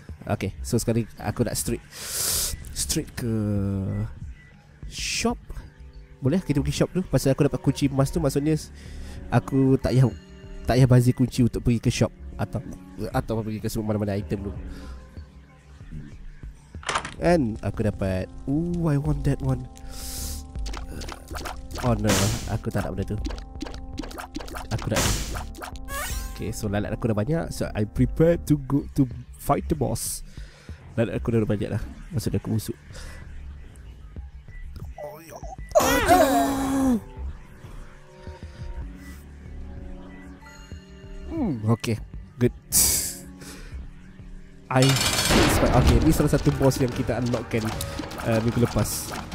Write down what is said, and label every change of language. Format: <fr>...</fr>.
<ms>Okay, so sekarang aku nak straight ke shop. Boleh kita pergi shop tu? Pasal aku dapat kunci emas tu, maksudnya aku tak payah bazir kunci untuk pergi ke shop atau pergi ke semua mana-mana item tu. And aku dapat,</ms> <en>ooh, I want that one.</en> <ms>Oh no, aku tak nak benda tu. Aku nak.</ms> <en>Okay, so</en> <ms>lalat aku dah banyak.</ms> <en>So I prepared to go to fight the boss.</en> <ms>Lalat aku dah banyak lah. Maksud aku musuh.</ms> <en>Okay, good.</en> <ms>Okay, ni salah satu boss yang kita unlockkan minggu lepas.</ms>